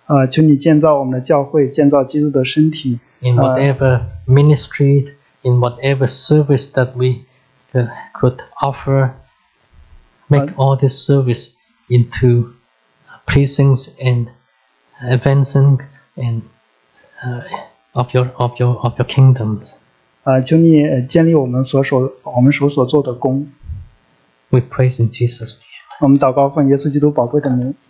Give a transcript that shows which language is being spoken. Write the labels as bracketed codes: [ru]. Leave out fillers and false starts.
[zh] 求你建造我们的教会，建造基督的身体。 [en] In whatever ministry, in whatever service that we could offer, make all this service into pleasing and advancing and of your kingdoms. [zh] 求你建立我们所做的工。 [en] We praise in Jesus' name. [zh] 我们祷告奉耶稣基督宝贵的名。